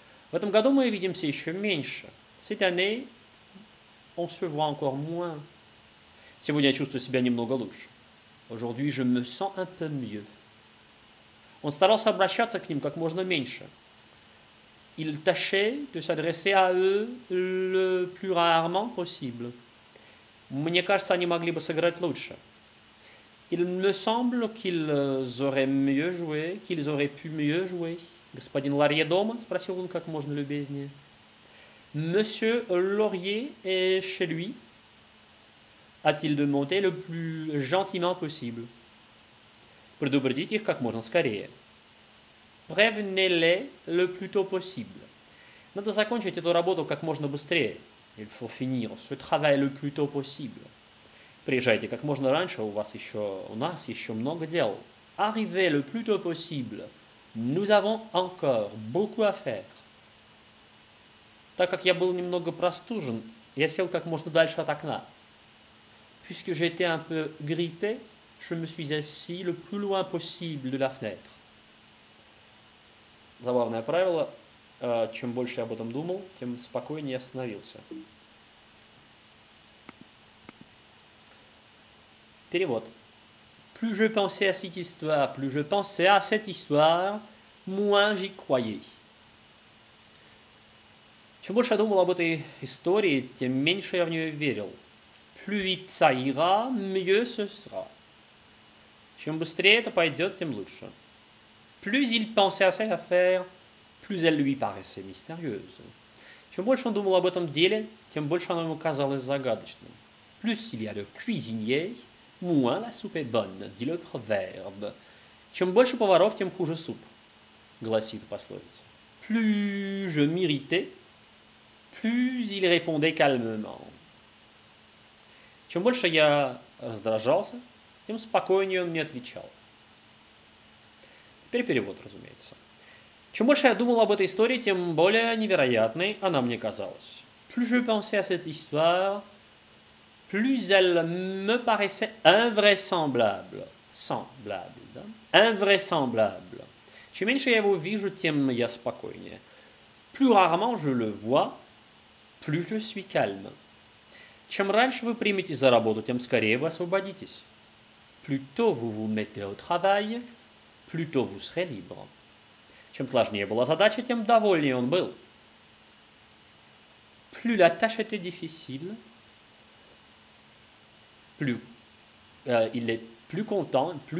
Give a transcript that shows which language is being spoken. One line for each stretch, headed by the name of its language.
Russian: В этом году мы видимся еще меньше.
French: Cette année, on se voit encore moins.
Russian: Сегодня я чувствую себя немного лучше.
French: Aujourd'hui, je me sens un peu mieux.
Russian: Он старался обращаться к ним как можно меньше.
French: Il tâchait de s'adresser à eux le plus rarement possible.
Russian: Мне кажется, они могли бы сыграть лучше.
French: Il me semble qu'ils auraient mieux joué, qu'ils auraient pu mieux jouer.
Russian: Господин Ларье дома? Спросил он как можно любезнее.
French: Monsieur Laurier est chez lui? A-t-il demandé le plus gentiment possible.
Russian: Предупредить их как можно скорее.
French: Prévenez-les le plus tôt possible.
Russian: Надо закончить эту работу как можно быстрее.
French: Il faut finir ce travail le plus tôt possible.
Russian: Приезжайте как можно раньше, у нас еще много дел.
French: Arrivez le plus tôt possible. Nous avons encore beaucoup à faire.
Russian: Так как я был немного простужен, я сел как можно дальше от окна.
French: Puisque j'étais un peu grippé, je me suis assis le plus loin possible de la fenêtre.
Russian: Забавное правило. Чем больше я об этом думал, тем спокойнее я становился. Перевод.
French: Plus je pensais à cette histoire, plus je pensais à cette histoire, moins j'y croyais.
Russian: Чем больше я думал об этой истории, тем меньше я в нее верил.
French: Plus vite ça ira, mieux ce sera.
Russian: Чем быстрее это пойдет, тем лучше.
French: Plus il pensait à cette affaire, plus elle lui paraissait mystérieuse.
Russian: Чем больше он думал об этом деле, тем больше оно ему казалось загадочным.
French: Plus il y a de cuisiniers, moins la soupe est bonne, dit le proverbe.
Russian: Чем больше поваров, тем хуже суп, гласит пословица.
French: Plus je m'irritais, plus il répondait calmement.
Russian: Чем больше я раздражался, тем спокойнее он мне отвечал. Теперь перевод, разумеется. Чем больше я думал об этой истории, тем более невероятной она мне казалась.
French: Plus je pensais à cette histoire, plus elle me paraissait invraisemblable. Semblable,
Russian: да?
French: Invraisemblable.
Russian: Чем меньше я его вижу, тем я спокойнее.
French: Plus rarement je le vois, plus je suis calme.
Russian: Чем раньше вы приметесь за работу, тем скорее вы освободитесь.
French: Plus tôt vous vous mettez au travail, plus tôt vous serez libre.
Russian: Чем сложнее была задача, тем довольнее он был.
French: Plus la tâche était difficile, plus il était content.